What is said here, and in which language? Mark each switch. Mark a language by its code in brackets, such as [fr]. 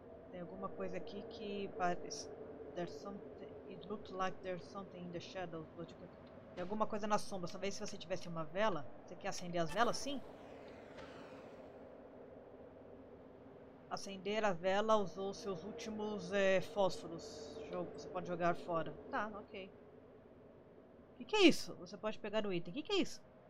[pt] Tem alguma coisa aqui que parece. [en] It looks like there's something in the shadows. [pt] Tem alguma coisa na sombra. Talvez se você tivesse uma vela. Você quer acender as velas? Sim? Acender a vela usou seus últimos fósforos. Jogo, você pode jogar fora. Tá, ok. Que é isso? Você pode pegar o item. Que é isso?